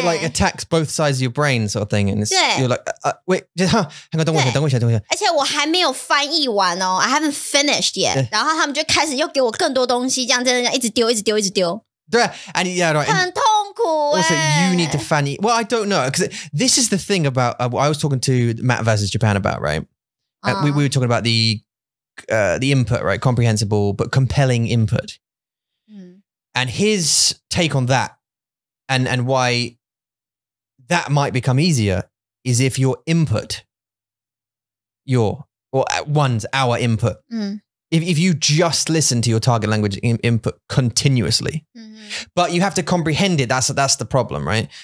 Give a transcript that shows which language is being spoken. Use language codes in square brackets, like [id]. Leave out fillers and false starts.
[en] it like attacks both sides of your brain sort of thing and it's, you're like wait [zh] 等我一下而且我还没有翻译完哦 [en] I haven't finished yet yeah. [zh] 然后他们就开始又给我更多东西这样一直丢 [en] and yeah right [zh] 很痛苦耶 [en] also you need to 翻译 well I don't know because this is the thing about I was talking to Matt versus Japan about right we were talking about the input, right? Comprehensible, but compelling input. Mm. And his take on that and why that might become easier is if your input, our input, if you just listen to your target language input continuously, but you have to comprehend it, that's the problem, right?